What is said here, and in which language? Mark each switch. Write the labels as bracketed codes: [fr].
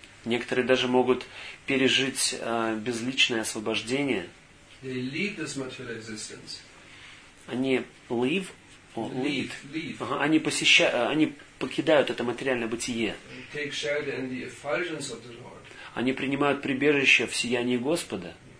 [ru] Некоторые даже могут пережить безличное освобождение. [en] They leave this material existence. [ru] Они [en] leave. [ru] Ага, они покидают это материальное бытие. [en] Take shelter in the effulgence of the Lord. [ru] Они принимают прибежище в сиянии Господа.